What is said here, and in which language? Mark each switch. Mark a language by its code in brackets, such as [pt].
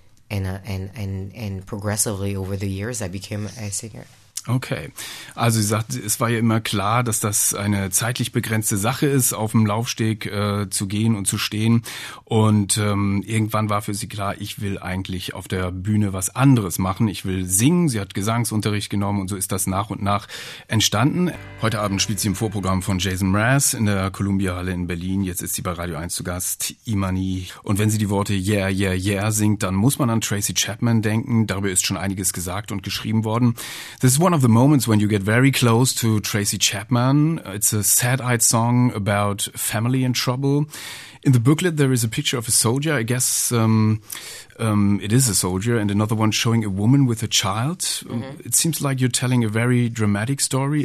[en] And progressively over the years I became a singer. [de] Okay, also sie sagt, es war ja immer klar, dass das eine zeitlich begrenzte Sache ist, auf dem Laufsteg zu gehen und zu stehen. Und irgendwann war für sie klar, ich will eigentlich auf der Bühne was anderes machen. Ich will singen, sie hat Gesangsunterricht genommen und so ist das nach und nach entstanden. Heute Abend spielt sie im Vorprogramm von Jason Mraz in der Columbia Halle in Berlin. Jetzt ist sie bei Radio 1 zu Gast, Imani. Und wenn sie die Worte Yeah, Yeah, Yeah singt, dann muss man an Tracy Chapman denken. Darüber ist schon einiges gesagt und geschrieben worden. Das ist [en] one of the moments when you get very close to Tracy Chapman. It's a sad-eyed song about family in trouble. In the booklet, there is a picture of a soldier. I guess it is a soldier. And another one showing a woman with a child. Mm-hmm. It seems like you're telling a very dramatic story.